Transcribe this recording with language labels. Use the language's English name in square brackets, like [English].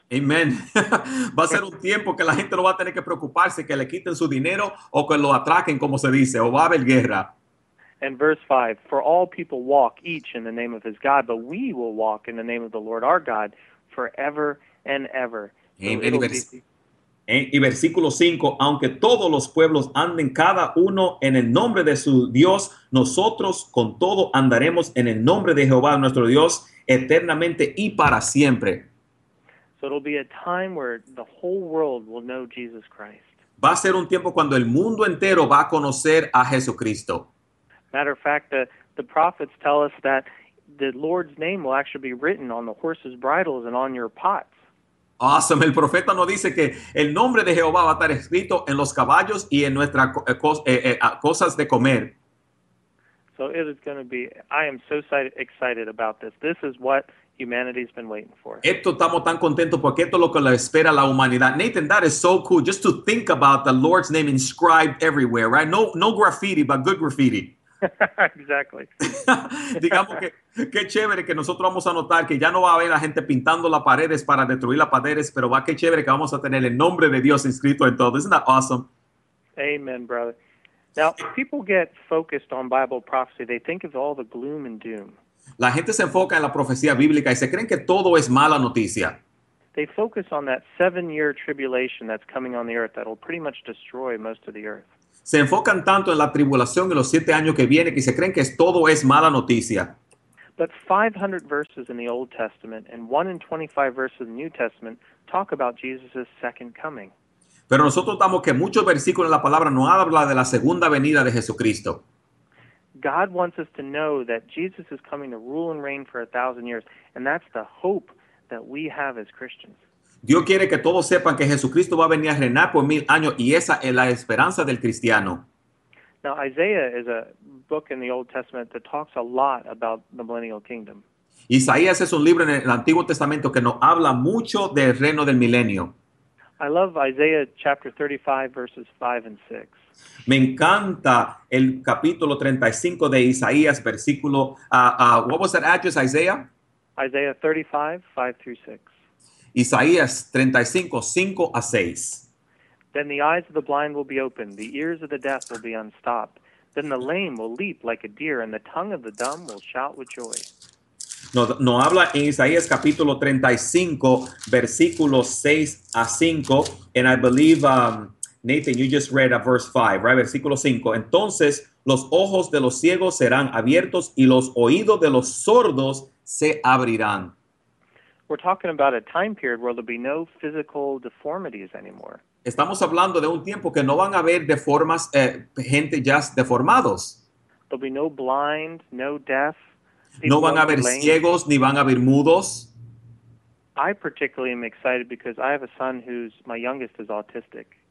[Spanish] Amen. Va a ser un tiempo que la gente no va a tener que preocuparse que le quiten su dinero o que lo atraquen, como se dice, o va a haber guerra. [English] And verse 5, for all people walk each in the name of his God, but we will walk in the name of the Lord our God forever and ever. Amen. [Spanish] Y versículo 5, aunque todos los pueblos anden cada uno en el nombre de su Dios, nosotros con todo andaremos en el nombre de Jehová nuestro Dios eternamente y para siempre. [English] So it'll be a time where the whole world will know Jesus Christ. [Spanish] Va a ser un tiempo cuando el mundo entero va a conocer a Jesucristo. [English] Matter of fact, the prophets tell us that the Lord's name will actually be written on the horses' bridles and on your pots. Awesome. [Spanish] El profeta nos dice que el nombre de Jehová va a estar escrito en los caballos y en nuestras cosas de comer. [English] So So it is going to be, I am so excited about this. This is what humanity's been waiting for. [Spanish] Esto estamos tan contentos porque esto es lo que le espera la humanidad. [English] Nathan, that is so cool just to think about the Lord's name inscribed everywhere, right? No graffiti, but good graffiti. Exactly. [Spanish] Digamos que qué chévere que nosotros vamos a notar que ya no va a haber la gente pintando las paredes para destruir las paredes, pero va qué chévere que vamos a tener el nombre de Dios inscrito en todo. [English] Isn't that awesome? Amen, brother. Now, people get focused on Bible prophecy. They think of all the gloom and doom. [Spanish] La gente se enfoca en la profecía bíblica y se creen que todo es mala noticia. [English] They focus on that 7-year tribulation that's coming on the earth that'll pretty much destroy most of the earth. [Spanish] Se enfocan tanto en la tribulación en los 7 años que viene que se creen que todo es mala noticia. [English] But 500 verses in the Old Testament and 1 in 25 verses in the New Testament talk about Jesus' second coming. [Spanish] Pero nosotros estamos que muchos versículos en la palabra no habla de la segunda venida de Jesucristo. [English] God wants us to know that Jesus is coming to rule and reign for 1,000 years, and that's the hope that we have as Christians. [Spanish] Dios quiere que todos sepan que Jesucristo va a venir a reinar por 1,000 años, y esa es la esperanza del cristiano. [English] Now, Isaiah is a book in the Old Testament that talks a lot about the millennial kingdom. [Spanish] Isaías es un libro en el Antiguo Testamento que nos habla mucho del reino del milenio. [English] I love Isaiah chapter 35, verses 5 and 6. [Spanish] Me encanta el capítulo 35 de Isaías, versículo, [English] what was that address, Isaiah? Isaiah 35, 5 through 6. [Spanish] Isaías 35, 5 a 6. [English] Then the eyes of the blind will be opened, the ears of the deaf will be unstopped. Then the lame will leap like a deer, and the tongue of the dumb will shout with joy. [Spanish] No habla en Isaías capítulo 35, versículos 6 a 5, [English] and I believe... Nathan, you just read a verse 5, right? [Spanish] Versículo 5. Entonces, los ojos de los ciegos serán abiertos y los oídos de los sordos se abrirán. [English] We're talking about a time period where there'll be no physical deformities anymore. [Spanish] Estamos hablando de un tiempo que no van a haber deformas, gente ya deformados. [English] There'll be no blind, no deaf. [Spanish] No van a haber ciegos ni van a haber mudos. [English] I particularly am excited because I have a son who's, my youngest is autistic.